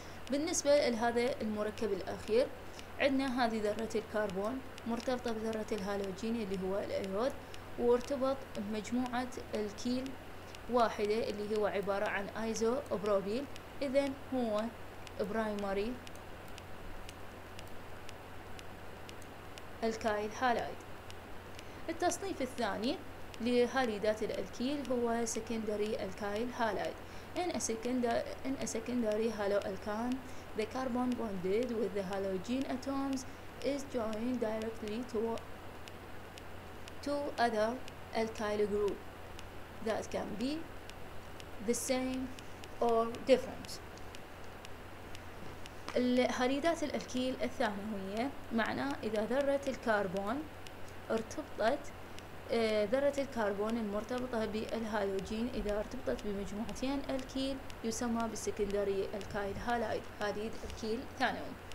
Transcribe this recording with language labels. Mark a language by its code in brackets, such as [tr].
[ar] بالنسبة لهذا المركب الأخير، عندنا هذه ذرة الكربون مرتبطة بذرة الهالوجين اللي هو الأيود، وارتبط بمجموعة الكيل واحدة اللي هو عبارة عن أيزو بروبيل، إذن هو برايمري الكايل هالايد. التصنيف الثاني لهاليدات الالكيل هو secondary alkyl halide. [en] In a secondary haloalkane, the carbon bonded with the halogen atoms is joined directly to other alkyl group that can be the same or different. [ar] هاليدات الالكيل الثانوية، معناه إذا ذرة الكربون ارتبطت ذرة الكربون المرتبطة بالهالوجين إذا ارتبطت بمجموعتين الكيل يسمى بالسكندري الكايل هالايد، هاليد الكيل ثانوي.